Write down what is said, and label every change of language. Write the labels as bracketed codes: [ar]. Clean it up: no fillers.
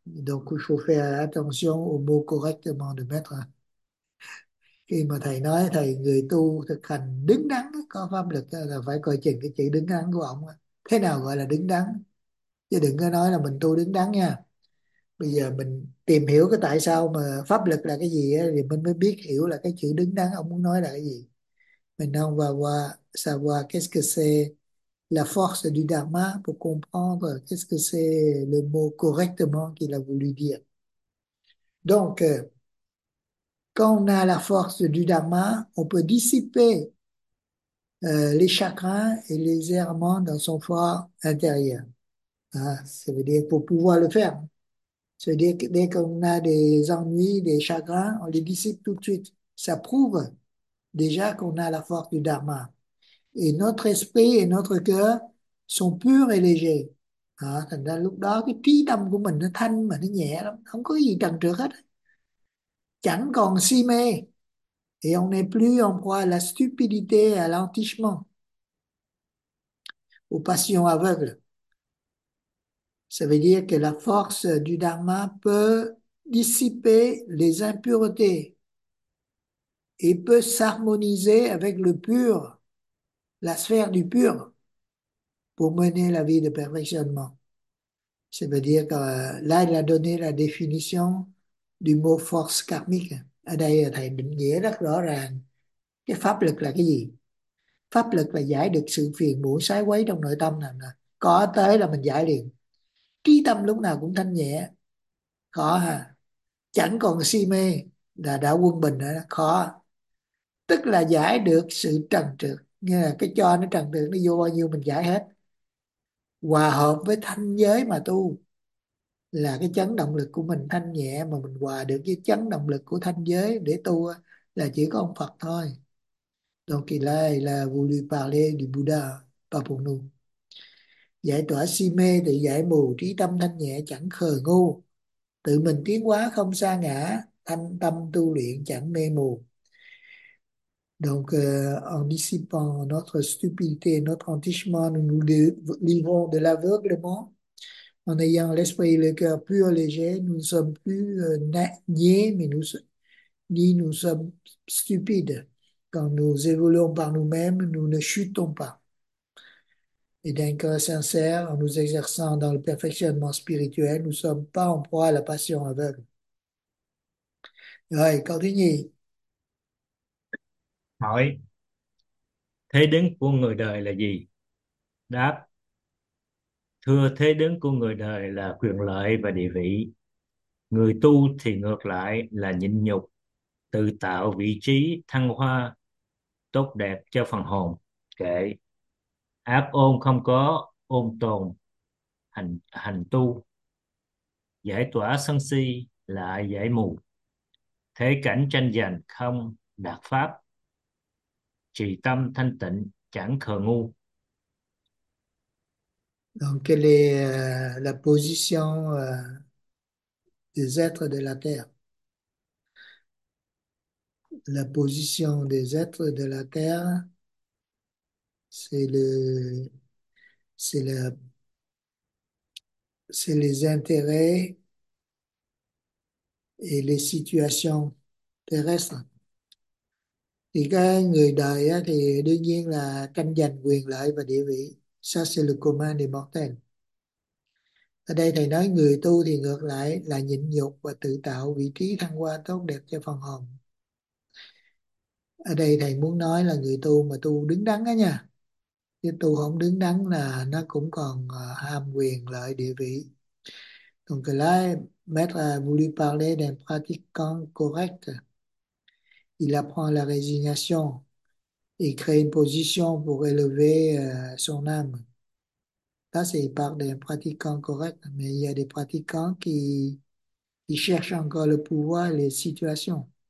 [fr] Donc, il faut faire attention au mot correctement de Maître. [vi] Khi mà thầy nói thầy người tu thực hành đứng đắn có pháp lực là phải coi chừng cái chữ đứng đắn của ông, thế nào gọi là đứng đắn, chứ đừng có nói là mình tu đứng đắn nha. Bây giờ mình tìm hiểu cái tại sao mà pháp lực là cái gì thì mình mới biết hiểu là cái chữ đứng đắn ông muốn nói là cái gì. Mình không [fr] va qua savoir qu'est-ce que c'est la force du dharma pour comprendre qu'est-ce que c'est le mot correctement qu'il a voulu dire. Donc, quand on a la force du Dharma, on peut dissiper les chagrins et les errements dans son foi intérieur. Hein? Ça veut dire pour pouvoir le faire. Ça veut dire que dès qu'on a des ennuis, des chagrins, on les dissipe tout de suite. Ça prouve déjà qu'on a la force du Dharma. Et notre esprit et notre cœur sont purs et légers. Hein? [vi] Thành ra lúc đó cái trí tâm của mình nó thanh mà nó nhẹ lắm, không có gì trần trược hết. Chẳng còn si mê [fr] et on n'est plus en proie à la stupidité et à l'entichement aux passions aveugles. Ça veut dire que la force du dharma peut dissiper les impuretés et peut s'harmoniser avec le pur, la sphère du pur, pour mener la vie de perfectionnement. Ça veut dire que là, il a donné la définition du mot force karmique. [vi] Ở đây thầy định nghĩa rất rõ ràng cái pháp lực là cái gì. Pháp lực là giải được sự phiền muộn sái quấy trong nội tâm, là có tới là mình giải liền. Trí tâm lúc nào cũng thanh nhẹ khó ha, chẳng còn si mê là đã quân bình rồi, khó tức là giải được sự trần trược, nghĩa là cái cho nó trần trược nó vô bao nhiêu mình giải hết, hòa hợp với thanh giới mà tu là cái chấn động lực của mình thanh nhẹ, mà mình hòa được với chấn động lực của thanh giới để tu là chỉ có ông Phật thôi. [fr] Donc il est là vous lui parlez du Bouddha pas pour nous. [vi] Giải tỏa si mê thì giải mù trí tâm thanh nhẹ chẳng khờ ngu, tự mình tiến hóa không sa ngã, thanh tâm tu luyện chẳng mê mù. [fr] Donc en dissipant notre stupidité, notre entichement, nous livrons de l'aveuglement. En ayant l'esprit et le cœur pur, léger, nous ne sommes plus niais, mais ni nous sommes stupides. Quand nous évoluons par nous-mêmes, nous ne chutons pas. Et d'un cœur sincère, en nous exerçant dans le perfectionnement spirituel, nous ne sommes pas en proie à la passion aveugle. Rồi, continuez. [vi] Hỏi: thế đứng của người đời là gì? Đáp: thưa, thế đứng của người đời là quyền lợi và địa vị. Người tu thì ngược lại là nhịn nhục, tự tạo vị trí thăng hoa tốt đẹp cho phần hồn. Kệ: ác ôn không có, ôn tồn hành hành tu. Giải tỏa sân si là giải mù. Thế cảnh tranh giành không đạt pháp. Trì tâm thanh tịnh chẳng khờ ngu. [fr] Donc, quelle est la position des êtres de la Terre? La position des êtres de la Terre, c'est les intérêts et les situations terrestres. [vi] Thì cái người đời á, thì đương nhiên là tranh giành quyền lợi và địa vị. [fr] Ça, c'est le commun des mortels. [vi] Ở đây thầy nói người tu thì ngược lại là nhịn nhục và tự tạo vị trí thăng hoa tốt đẹp cho phần hồn. Ở đây thầy muốn nói là người tu mà tu đứng đắn á nha. Chứ tu không đứng đắn là nó cũng còn ham quyền lợi địa vị. [fr] Donc là Maître a voulu parler d'un pratiquant correct. Il apprend la résignation. Et créer une position pour élever son âme. Là, il parle d'un pratiquant correct, mais il y a des pratiquants qui cherchent encore le pouvoir et les situations.